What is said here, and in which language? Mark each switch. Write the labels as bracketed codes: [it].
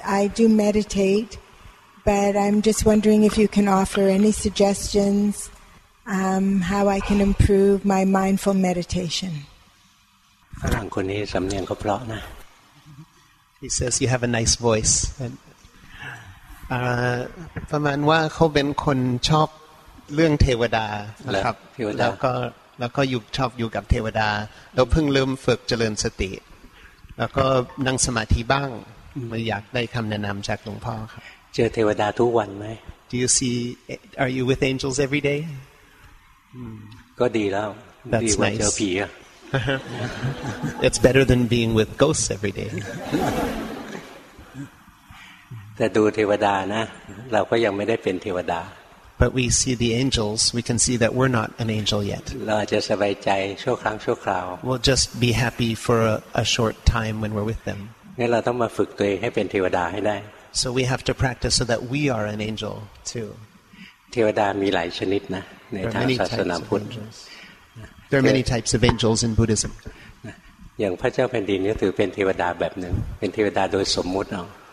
[en] I do meditate, but I'm just wondering if you can offer any suggestions how I can improve my mindful meditation. He says you have a nice voice. [th] ประมาณว่าเขาเป็นคนชอบเรื่องเทวดานะครับแล้วก็อยู่ชอบอยู่กับเทวดาแล้วเพิ่งเริ่มฝึกเจริญสติแล้วก็นั่งสมาธิบ้างมาอยากได้คำแนะนำจากหลวงพ่อครับ เจอเทวดาทุกวันไ [en] หม Do you see Are you with angels every day [th] ก็ดีแล้วดี กว่าเจอผี [en] It's better than being with ghosts every day. [th] แต่ดูเทวดานะเราก็ยังไม่ได้เป็นเทวดา [en] But we see the angels. We can see that we're not an angel yet. [th] เราจะสบายใจชั่วครั้งชั่วคราว [en] We'll just be happy for a short time when we're with them. [th] งั้นเราต้องมาฝึกตัวเองให้เป็นเทวดาให้ได้ [en] So we have to practice so that we are an angel too. [th] เทวดามีหลายชนิดนะในทางศาสนาพุทธ [en] There are many types of angels in Buddhism. [th] อย่างพระเจ้าแผ่นดินก็ถือเป็นเทวดาแบบหนึ่งเป็นเทวดาโดยสมมุติเอา